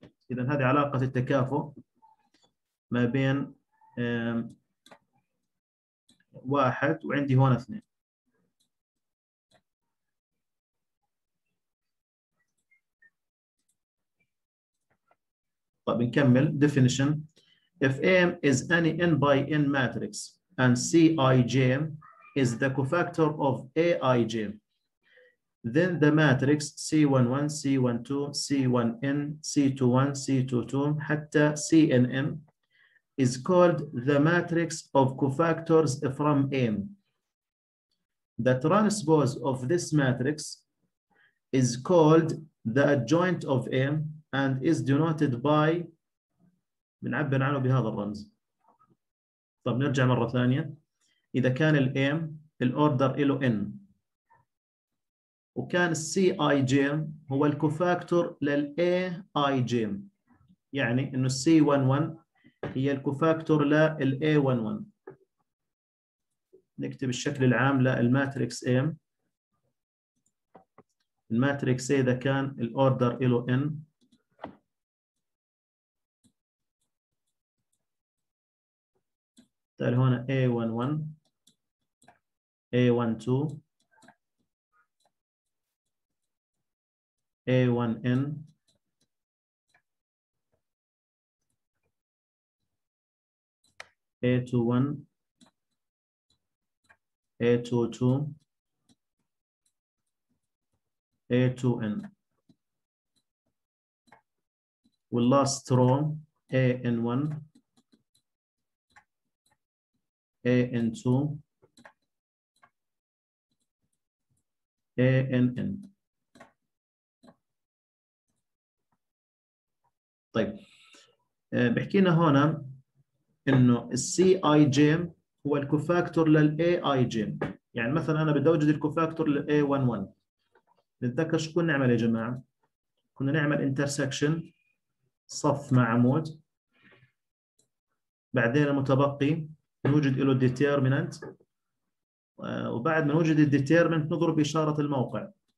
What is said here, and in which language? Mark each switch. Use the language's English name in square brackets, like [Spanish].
[Arabic] اذا هذه علاقه التكافؤ ما بين واحد وعندي هون اثنين. طيب نكمل definition. [English] If M is any n by n matrix and Cij is the cofactor of Aij, then the matrix C11, C12, C1n, C21, C22, حتى CnM is called the matrix of cofactors from M. The transpose of this matrix is called the adjoint of M and is denoted by [Arabic] بنعبر عنه بهذا الرمز. طب نرجع مرة ثانية. إذا كان الـ M الـ order إلو N وكان الـ Cij هو الكوفاكتور للـ Aij، يعني إنه الـ C11 هي الكوفاكتور للـ A11. نكتب الشكل العام للماتريكس M. الماتريكس A إذا كان الأوردر إلو N تالي هنا A11 A12 A1N A21 A22 A2N. واللاست رو A N 1 A N 2 A N N. طيب بحكي لنا هون انه السي اي جي هو الكوفاكتور للاي اي جي، يعني مثلا انا بدي اوجد الكوفاكتور للاي 1 1. نتذكر شو كنا نعمل يا جماعه؟ كنا نعمل انترسكشن صف مع عمود، بعدين المتبقي نوجد له الديتيرمنت، وبعد ما نوجد الديتيرمنت نضرب اشاره الموقع.